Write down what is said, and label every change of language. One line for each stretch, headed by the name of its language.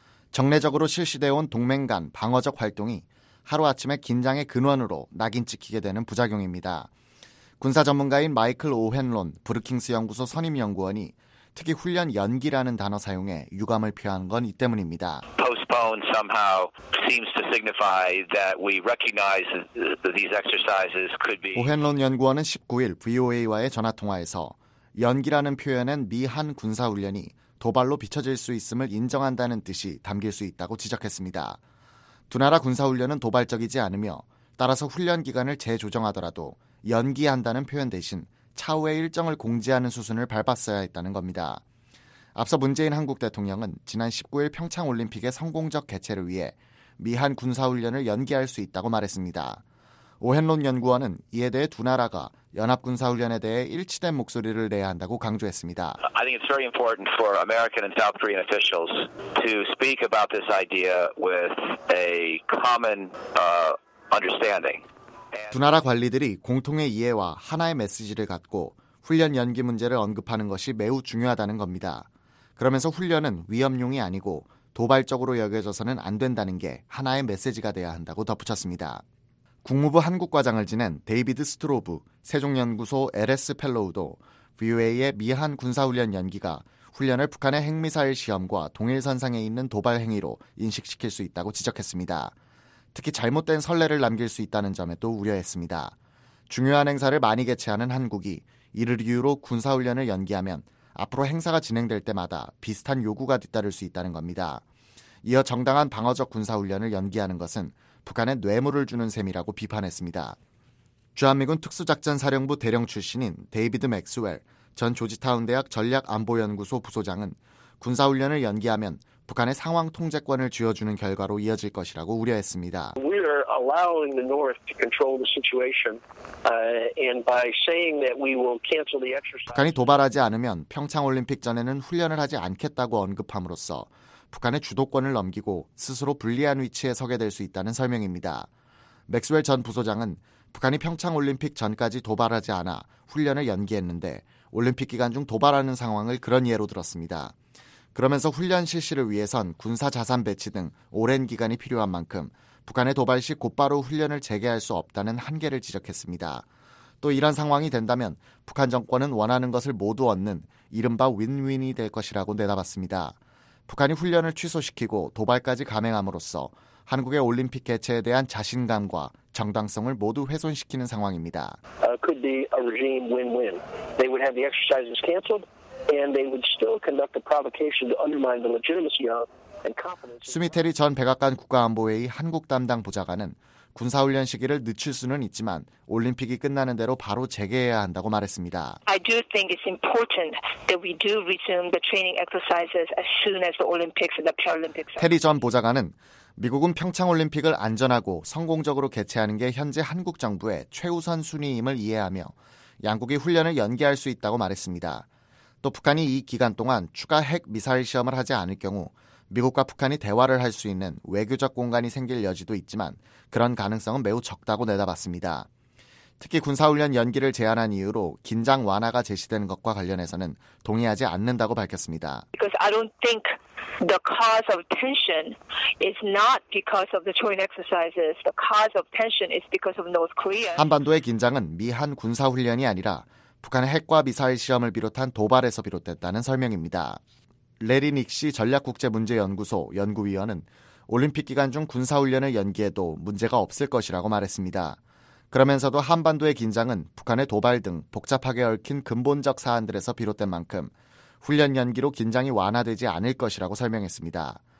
Korean: 정례적으로 실시되어 온 동맹 간 방어적 활동이 하루아침에 긴장의 근원으로 낙인 찍히게 되는 부작용입니다. 군사 전문가인 마이클 오헨론 브루킹스 연구소 선임 연구원이 특히 훈련 연기라는 단어 사용에 유감을 표한 건 이 때문입니다.
English: Postpone somehow seems to signify that we recognize that these exercises could be.
Korean: 오헨론 연구원은 19일 VOA와의 전화 통화에서 연기라는 표현엔 미한 군사 훈련이 도발로 비춰질 수 있음을 인정한다는 뜻이 담길 수 있다고 지적했습니다. 두 나라 군사훈련은 도발적이지 않으며 따라서 훈련 기간을 재조정하더라도 연기한다는 표현 대신 차후의 일정을 공지하는 수순을 밟았어야 했다는 겁니다. 앞서 문재인 한국 대통령은 지난 19일 평창올림픽의 성공적 개최를 위해 미한 군사훈련을 연기할 수 있다고 말했습니다. 오헨론 연구원은 이에 대해 두 나라가 연합군사훈련에 대해 일치된 목소리를 내야 한다고 강조했습니다.
English: I think it's very important for American and South Korean officials to speak about this idea with a common understanding.
Korean: 두 나라 관리들이 공통의 이해와 하나의 메시지를 갖고 훈련 연기 문제를 언급하는 것이 매우 중요하다는 겁니다. 그러면서 훈련은 위험용이 아니고 도발적으로 여겨져서는 안 된다는 게 하나의 메시지가 돼야 한다고 덧붙였습니다. 국무부 한국과장을 지낸 데이비드 스트로브, 세종연구소 LS 펠로우도 VOA의 미한 군사훈련 연기가 훈련을 북한의 핵미사일 시험과 동일선상에 있는 도발 행위로 인식시킬 수 있다고 지적했습니다. 특히 잘못된 선례를 남길 수 있다는 점에도 우려했습니다. 중요한 행사를 많이 개최하는 한국이 이를 이유로 군사훈련을 연기하면 앞으로 행사가 진행될 때마다 비슷한 요구가 뒤따를 수 있다는 겁니다. 이어 정당한 방어적 군사훈련을 연기하는 것은 북한에 뇌물을 주는 셈이라고 비판했습니다. 주한미군 특수작전사령부 대령 출신인 데이비드 맥스웰 전 조지타운대학 전략안보연구소 부소장은 군사훈련을 연기하면 북한의 상황 통제권을 쥐어주는 결과로 이어질 것이라고 우려했습니다.
English: We are allowing the North to control the situation, and by saying that we will cancel the exercise.
Korean: 북한이 도발하지 않으면 평창올림픽 전에는 훈련을 하지 않겠다고 언급함으로써 북한의 주도권을 넘기고 스스로 불리한 위치에 서게 될 수 있다는 설명입니다. 맥스웰 전 부소장은 북한이 평창올림픽 전까지 도발하지 않아 훈련을 연기했는데 올림픽 기간 중 도발하는 상황을 그런 예로 들었습니다. 그러면서 훈련 실시를 위해선 군사 자산 배치 등 오랜 기간이 필요한 만큼 북한의 도발 시 곧바로 훈련을 재개할 수 없다는 한계를 지적했습니다. 또 이런 상황이 된다면 북한 정권은 원하는 것을 모두 얻는 이른바 윈윈이 될 것이라고 내다봤습니다. 북한이 훈련을 취소시키고 도발까지 감행함으로써 한국의 올림픽 개최에 대한 자신감과 정당성을 모두 훼손시키는 상황입니다.
English: Could be a regime win-win. They would have the exercises canceled and they would still conduct the provocation to undermine the legitimacy of and confidence.
Korean: 수미테리 전 백악관 국가안보회의 한국 담당 보좌관은 군사훈련 시기를 늦출 수는 있지만 올림픽이 끝나는 대로 바로 재개해야 한다고 말했습니다.
English: I do think it's important that we do resume the training exercises as soon as the Olympics and the Paralympics.
Korean: 테리 전 보좌관은 미국은 평창올림픽을 안전하고 성공적으로 개최하는 게 현재 한국 정부의 최우선 순위임을 이해하며 양국이 훈련을 연기할 수 있다고 말했습니다. 또 북한이 이 기간 동안 추가 핵 미사일 시험을 하지 않을 경우 미국과 북한이 대화를 할 수 있는 외교적 공간이 생길 여지도 있지만 그런 가능성은 매우 적다고 내다봤습니다. 특히 군사훈련 연기를 제안한 이유로 긴장 완화가 제시되는 것과 관련해서는 동의하지 않는다고 밝혔습니다.
English: Because I don't think the cause of tension is not because of the joint exercises. The cause of tension is because of North Korea.
Korean: 한반도의 긴장은 미한 군사훈련이 아니라 북한의 핵과 미사일 시험을 비롯한 도발에서 비롯됐다는 설명입니다. 레리 닉시 전략국제문제연구소 연구위원은 올림픽 기간 중 군사훈련을 연기해도 문제가 없을 것이라고 말했습니다. 그러면서도 한반도의 긴장은 북한의 도발 등 복잡하게 얽힌 근본적 사안들에서 비롯된 만큼 훈련 연기로 긴장이 완화되지 않을 것이라고 설명했습니다.